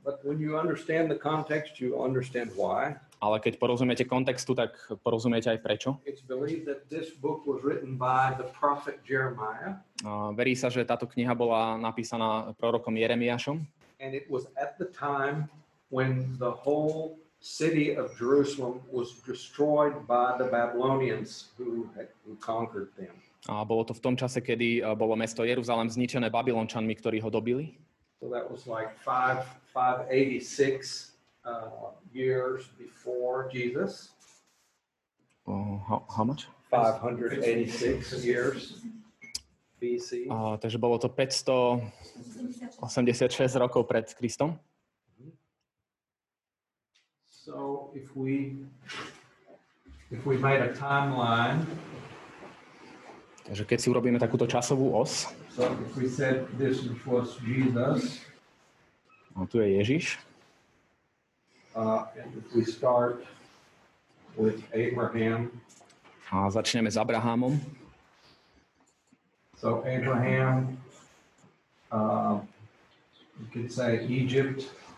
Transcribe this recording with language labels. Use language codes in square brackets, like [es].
[en] But when you understand the context, you understand why. [sk] Ale keď porozumiete kontextu, tak porozumiete aj prečo. [en] It's believed that this book was written by the prophet Jeremiah. [sk] Verí sa, že táto kniha bola napísaná prorokom Jeremiášom. [en] And it was at the time when the whole city of Jerusalem was destroyed by the Babylonians who conquered them. [sk] A bolo to v tom čase, kedy bolo mesto Jeruzalem zničené Babylončanmi, ktorí ho dobili. [en] So that was like 586 years before Jesus. How much? 586 years BC. [sk] Takže bolo to 586 rokov pred Kristom. [en] So if we made a timeline, [sk] takže keď si urobíme takúto časovú os, [en] so if we said this was Jesus, [sk] no tu je Ježiš, [en] and if we start with Abraham, [sk] a začneme s Abrahamom, [en] so Abraham, you could say Egypt.